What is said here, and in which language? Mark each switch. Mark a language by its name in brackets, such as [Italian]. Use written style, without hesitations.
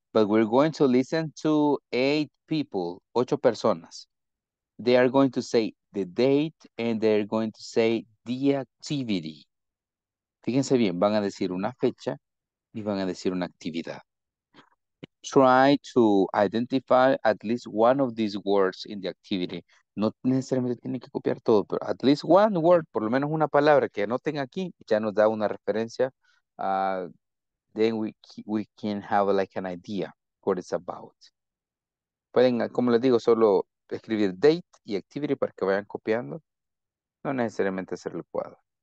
[English] But we're going to listen to eight people, [Spanish] ocho personas. [English] They are going to say the date and they're going to say the activity. [Spanish] Fíjense bien, van a decir una fecha y van a decir una actividad. [English] Try to identify at least one of these words in the activity. [Spanish] No necesariamente tienen que copiar todo, pero [English] at least one word, [Spanish] por lo menos una palabra que anoten aquí, ya nos da una referencia. [English] Then we can have like an idea what it's about. [Spanish] Pueden, como les digo, solo escribir date y activity para que vayan copiando. No necesariamente hacer el cuadro.